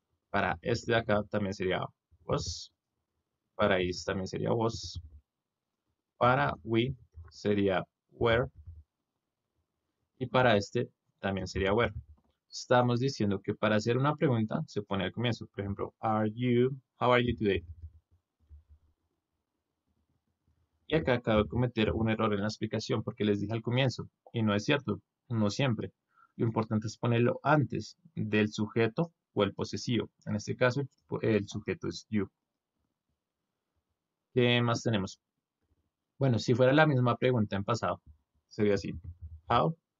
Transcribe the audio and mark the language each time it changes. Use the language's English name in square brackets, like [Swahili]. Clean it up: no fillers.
[Spanish] Para este de acá también sería was. Para is también sería was. Para we sería where. Y para este también sería where. Estamos diciendo que para hacer una pregunta se pone al comienzo. Por ejemplo, [English] are you, how are you today? [Spanish] Y acá acabo de cometer un error en la explicación porque les dije al comienzo, y no es cierto, no siempre. Lo importante es ponerlo antes del sujeto o el posesivo. En este caso, el sujeto es you. ¿Qué más tenemos? Bueno, si fuera la misma pregunta en pasado, sería así. How?